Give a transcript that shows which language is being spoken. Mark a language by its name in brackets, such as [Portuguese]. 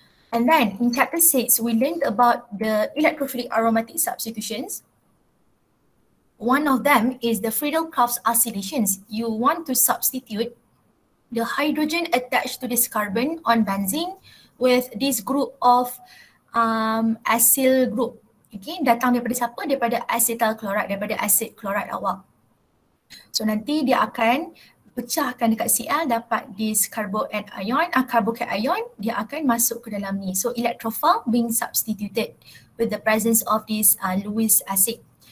[English] And then, in chapter 6, we learned about the electrophilic aromatic substitutions. One of them is the Friedel-Crafts oscillations. You want to substitute the hydrogen attached to this carbon on benzene with this group of acyl group. [Malay] Okay, datang daripada siapa? Daripada acetyl chloride, daripada acid chloride awak. So nanti dia akan pecahkan dekat Cl, dapat [English] this carbocation ion, [Malay] dia akan masuk ke dalam ni. [English] So electrophile being substituted with the presence of this Lewis acid.